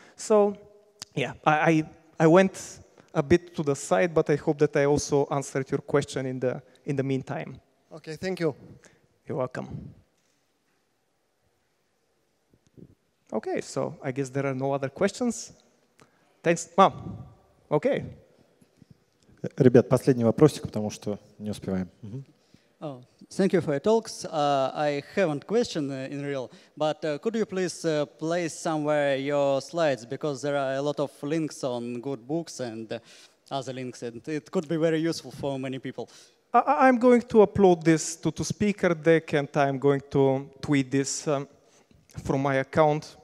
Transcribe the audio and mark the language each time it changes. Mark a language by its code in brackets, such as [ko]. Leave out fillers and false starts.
[en] So, yeah, I went a bit to the side, but I hope that I also answered your question in the meantime. Okay, thank you. You're welcome. Okay, so I guess there are no other questions. Thanks. Mom. Okay. [ru] Ребят, последний вопросик, потому что не успеваем. [en] Oh, thank you for your talks. I haven't question in real, but could you please place somewhere your slides, because there are a lot of links on good books and other links, and it could be very useful for many people. I'm going to upload this to speaker deck, and I'm going to tweet this from my account.